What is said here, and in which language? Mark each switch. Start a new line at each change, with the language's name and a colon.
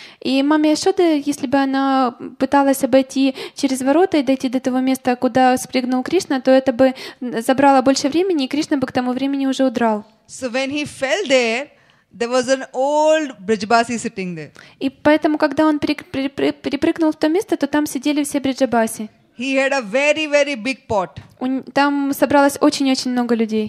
Russian: И мама Яшода, если бы она пыталась обойти через ворота и дойти до того места, куда спрыгнул Кришна, то это бы забрало больше времени, и Кришна бы к тому времени уже удрал.
English: So when he fell there, there was an old Brijabasi sitting there.
Russian: И поэтому, когда он перепрыгнул в то место, то там сидели все Бриджабаси.
English: He had a very, very big pot.
Russian: Там собралось очень-очень много людей.